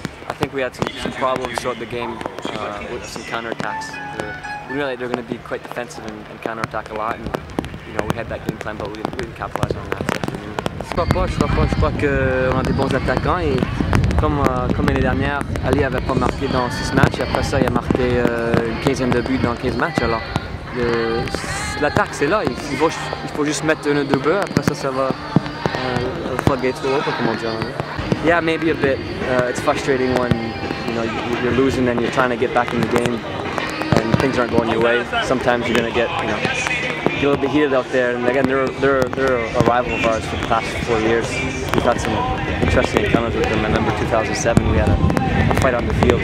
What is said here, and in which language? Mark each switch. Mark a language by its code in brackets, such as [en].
[en] I think we had some problems throughout the game with some counterattacks. We knew that they were going to be quite defensive and counterattack a lot. And you know, we had that game plan, but we didn't capitalize on that. [fr] Je crois qu'on a des bons attaquants et comme l'année dernière, Ali n'avait pas marqué dans 6 matchs. Et après ça, il a marqué une quinzaine de buts dans 15 matchs. Alors l'attaque, c'est là. Il faut juste mettre un ou deux buts. Après ça, ça va floodgate trop haut, comment dire. [en] Yeah, maybe a bit. It's frustrating when you know you're losing and you're trying to get back in the game and things aren't going your way. Sometimes you're gonna get, you know, a little bit heated out there. And again, they're a rival of ours for the past 4 years. We've had some interesting encounters with them. I remember 2007, we had a fight on the field.